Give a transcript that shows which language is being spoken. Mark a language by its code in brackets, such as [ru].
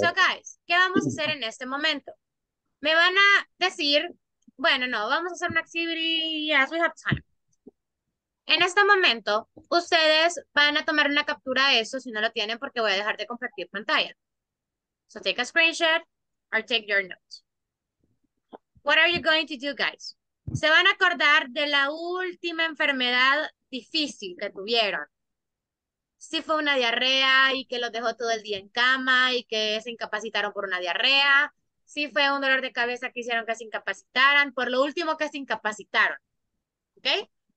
[es] So, guys, ¿qué vamos a hacer en este momento? Me van a decir, bueno, no, vamos a hacer una actividad. [en] Yes, we have time. [es] En este momento, ustedes van a tomar una captura de eso si no lo tienen porque voy a dejar de compartir pantalla. [en] So take a screenshot or take your notes. What are you going to do, guys? [es] Se van a acordar de la última enfermedad difícil que tuvieron. Si fue una diarrea y que los dejó todo el día en cama y que se incapacitaron por una diarrea. Si fue un dolor de cabeza que hicieron que se incapacitaran. Por lo último que se incapacitaron. ¿Ok?